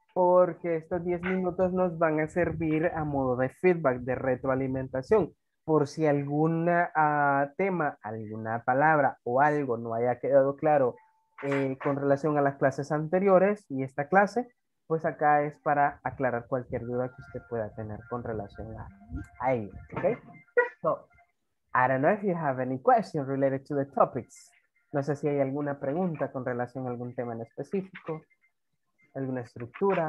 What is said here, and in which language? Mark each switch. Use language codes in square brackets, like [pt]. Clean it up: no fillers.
[es] Porque estos 10 minutos nos van a servir a modo de feedback, de retroalimentación. Por si algún tema, alguna palabra o algo no haya quedado claro con relación a las clases anteriores y esta clase, pues acá es para aclarar cualquier duda que usted pueda tener con relación a ello, ¿okay? [en] So, I don't know if you have any questions related to the topics. [es] No sé si hay alguna pregunta con relación a algún tema en específico, alguna estructura.